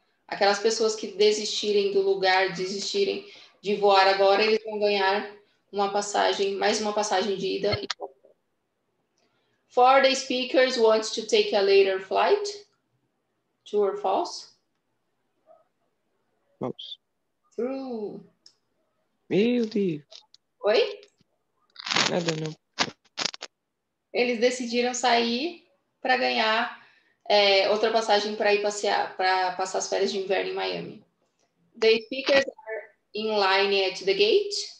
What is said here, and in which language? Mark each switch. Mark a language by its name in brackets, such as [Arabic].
[Portuguese] Aquelas pessoas que desistirem do lugar, desistirem de voar agora, eles vão ganhar uma passagem, mais uma passagem de ida. [English] For the speakers want to take a later flight. True or false? True. [Portuguese] Meu Deus. Oi? Nada, não. Eles decidiram sair para ganhar outra passagem para ir passear, para passar as férias de inverno em Miami. [English] The speakers are in line at the gate.